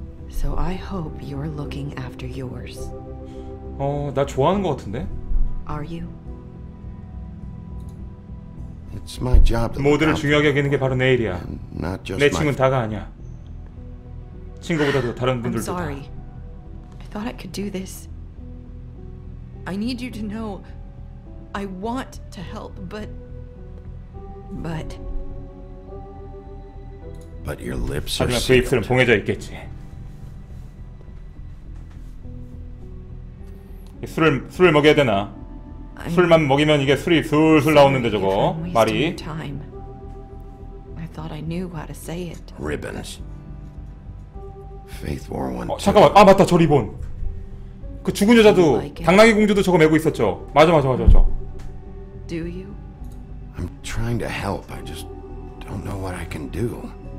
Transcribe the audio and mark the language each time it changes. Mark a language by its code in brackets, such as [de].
[en] So I hope you're looking after yours. [ko] 나 좋아하는 거 같은데? [en] Are you? It's my job. [ko] 모두를 중요하게 여기는 게 바로 내 일이야. 내 친구는 다가 아니야. 친구보다도 다른 분들도 다. [en] I'm sorry. [ko] 다. [en] thought I could do this. I need you to know I want to help, but... But your lips are sealed. [ko] 하지만 그 입술은 봉해져 있겠지. 술을 먹여야 되나? 술만 먹이면 이게 술이 술술 나오는데 저거 말이. [en] I thought I knew how to say it. Ribbons. Faith wore one. [ko] 잠깐만. 아 맞다. 저 리본. 그 죽은 여자도 당나귀 공주도 저거 메고 있었죠. 맞아. [en] Do you? I'm trying to help. I just don't know what I can do.